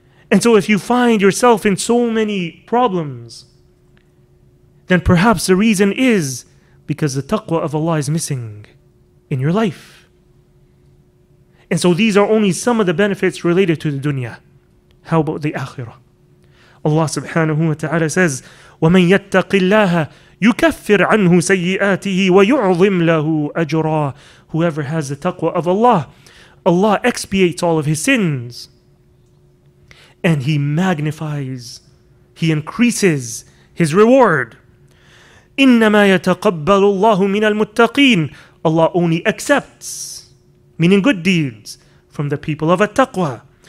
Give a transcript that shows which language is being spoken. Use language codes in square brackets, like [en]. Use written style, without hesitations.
[en] And so if you find yourself in so many problems, then perhaps the reason is because the taqwa of Allah is missing in your life. And so these are only some of the benefits related to the dunya. How about the akhirah? Allah subhanahu wa ta'ala says, [ar] وَمَنْ يَتَّقِ اللَّهَ يُكَفِّرْ عَنْهُ سَيِّئَاتِهِ وَيُعْظِمْ لَهُ أَجْرًا. [en] Whoever has the taqwa of Allah, Allah expiates all of his sins, and he magnifies, he increases his reward. [ar] إِنَّمَا يَتَقَبَّلُ اللَّهُ مِنَ الْمُتَّقِينَ. [en] Allah only accepts, meaning good deeds, from the people of at-taqwa.